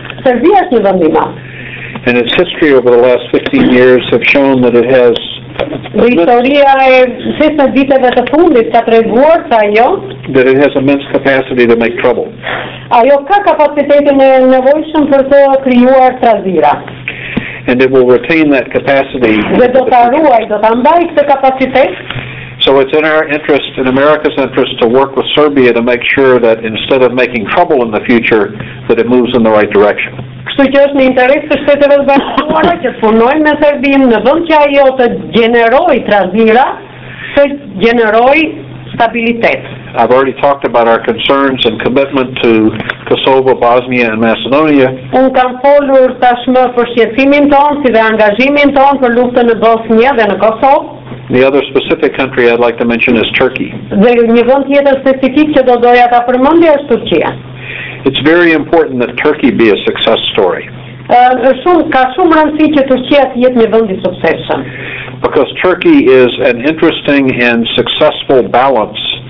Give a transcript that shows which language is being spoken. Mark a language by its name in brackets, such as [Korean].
[Albanian] Serbia është një vend I madh. [English] And its history over the last 15 years have shown that it has that it has immense capacity to make trouble. [Albanian] Ajo ka kapacitetin e nevojshëm për të krijuar trazira. [English] And it will retain that capacity. [Albanian] Dhe do ta ruaj, do ta mbaj këtë kapacitet. [English] So it's in our interest, in America's interest, to work with Serbia to make sure that instead of making trouble in the future, that it moves in the right direction. [Albanian] Kështu që është në interes të Shteteve të Bashkuara që të punojnë me Serbinë në vend që ajo të gjeneroj trazira, të gjeneroj stabilitet. [English] I've already talked about our concerns and commitment to Kosovo, Bosnia and Macedonia. [Albanian] Un kam folur tashmë për shqetësimin ton, si dhe angazhimin ton për luftën në Bosnjë dhe në Kosovë. [English] The other specific country I'd like to mention is Turkey. [Albanian] Dhe një vend tjetër specifik që do doja ta përmendja është Turqia. [English] It's very important that Turkey be a success story. [Albanian] Ka shumë rëndësi që Turqia të jetë një vend I suksesshëm. [English] Because Turkey is an interesting and successful balance.